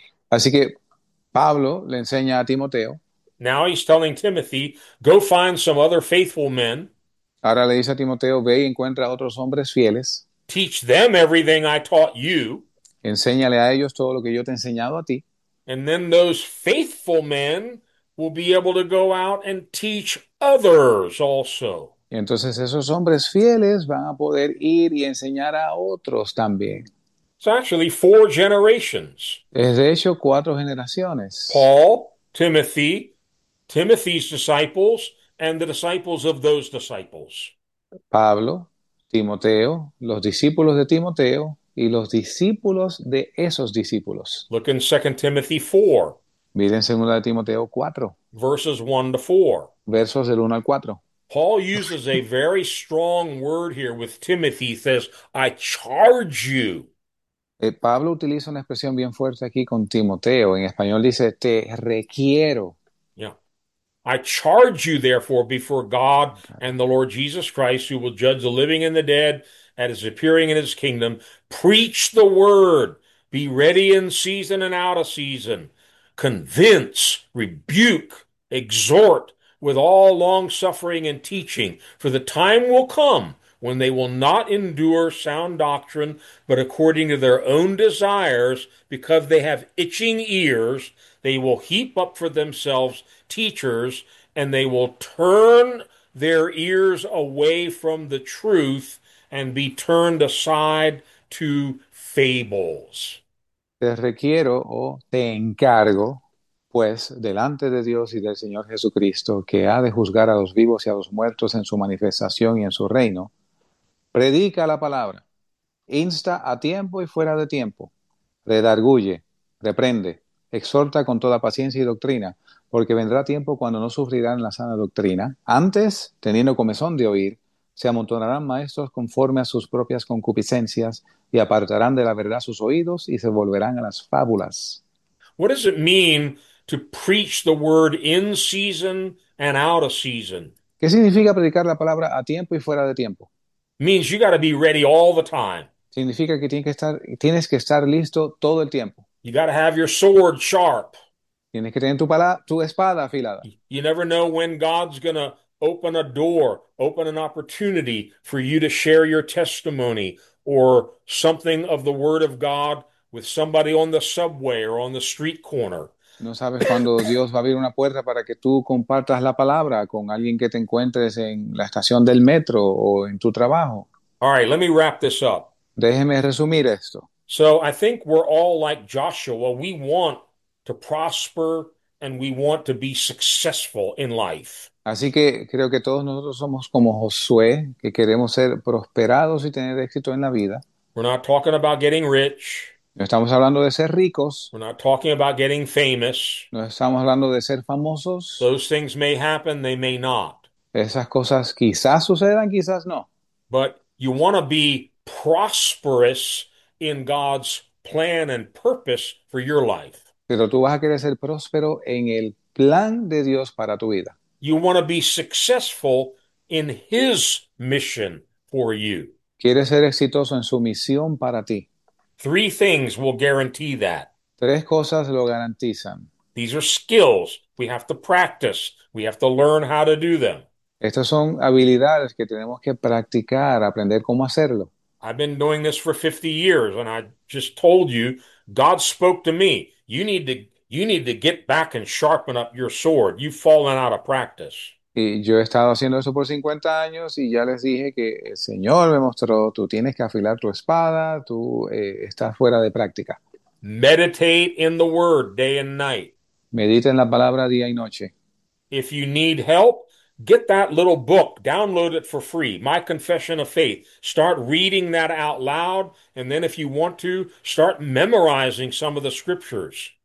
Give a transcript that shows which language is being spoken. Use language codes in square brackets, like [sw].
[es] Así que Pablo le enseña a Timoteo. [en] Now he's telling Timothy, go find some other faithful men. [es] Ahora le dice a Timoteo, ve y encuentra a otros hombres fieles. [en] Teach them everything I taught you. [es] Enséñale a ellos todo lo que yo te he enseñado a ti. [en] And then those faithful men will be able to go out and teach others also. [es] Entonces esos hombres fieles van a poder ir y enseñar a otros también. [en] It's actually four generations. [es] Es de hecho cuatro generaciones. [en] Paul, Timothy, Timothy's disciples and the disciples of those disciples. [es] Pablo, Timoteo, los discípulos de Timoteo y los discípulos de esos discípulos. [en] Look in 2 Timothy 4, [es] Miren segunda de Timoteo 4, [en] verses 1 to 4. [es] versos del 1 al 4. [en] Paul uses a very strong word here with Timothy. He says, I charge you. [es] Pablo utiliza una expresión bien fuerte aquí con Timoteo. En español dice, te requiero. [en] I charge you, therefore, before God and the Lord Jesus Christ, who will judge the living and the dead at his appearing in his kingdom, preach the word, be ready in season and out of season, convince, rebuke, exhort with all long suffering and teaching, for the time will come when they will not endure sound doctrine, but according to their own desires, because they have itching ears, they will heap up for themselves teachers, and they will turn their ears away from the truth and be turned aside to fables. [es] Te requiero o te encargo, pues, delante de Dios y del Señor Jesucristo, que ha de juzgar a los vivos y a los muertos en su manifestación y en su reino, predica la palabra, insta a tiempo y fuera de tiempo, redarguye, reprende, exhorta con toda paciencia y doctrina, porque vendrá tiempo cuando no sufrirán la sana doctrina. Antes, teniendo comezón de oír, se amontonarán maestros conforme a sus propias concupiscencias y apartarán de la verdad sus oídos y se volverán a las fábulas. [en] What does it mean to preach the word in season and out of season? [es] ¿Qué significa predicar la palabra a tiempo y fuera de tiempo? [en] Means you got to be ready all the time. [es] Significa que tienes que estar listo todo el tiempo. [en] You got to have your sword sharp. [es] Tienes que tener tu espada afilada. [en] You never know when God's going to open a door, open an opportunity for you to share your testimony or something of the word of God with somebody on the subway or on the street corner. [es] No sabes cuándo Dios va a abrir una puerta para que tú compartas la palabra con alguien que te encuentres en la estación del metro o en tu trabajo. [en] All right, let me wrap this up. [es] Déjeme resumir esto. [en] So I think we're all like Joshua. We want to prosper and we want to be successful in life. [es] Así que creo que todos nosotros somos como Josué, que queremos ser prosperados y tener éxito en la vida. [en] We're not talking about getting rich. [es] No estamos hablando de ser ricos. [en] We're not talking about getting famous. [es] No estamos hablando de ser famosos. [en] Those things may happen, they may not. [es] Esas cosas quizás sucedan, quizás no. [en] But you want to be prosperous in God's plan and purpose for your life. [es] Pero tú vas a querer ser próspero en el plan de Dios para tu vida. [en] You want to be successful in His mission for you. [es] Quieres ser exitoso en su misión para ti. [en] Three things will guarantee that. [es] Tres cosas lo garantizan. [en] These are skills. We have to practice. We have to learn how to do them. [es] Estas son habilidades que tenemos que practicar, aprender cómo hacerlo. [en] I've been doing this for 50 years, and I just told you, God spoke to me. You need to get back and sharpen up your sword. You've fallen out of practice. [es] Y yo he estado haciendo eso por 50 años y ya les dije que el Señor me mostró, tú tienes que afilar tu espada, tú estás fuera de práctica. [en] Meditate in the word day and night. [es] Medita en la palabra día y noche. [en] If you need help, get that little book, download it for free, My Confession of Faith. Start reading that out loud, and then if you want to, start memorizing some of the scriptures.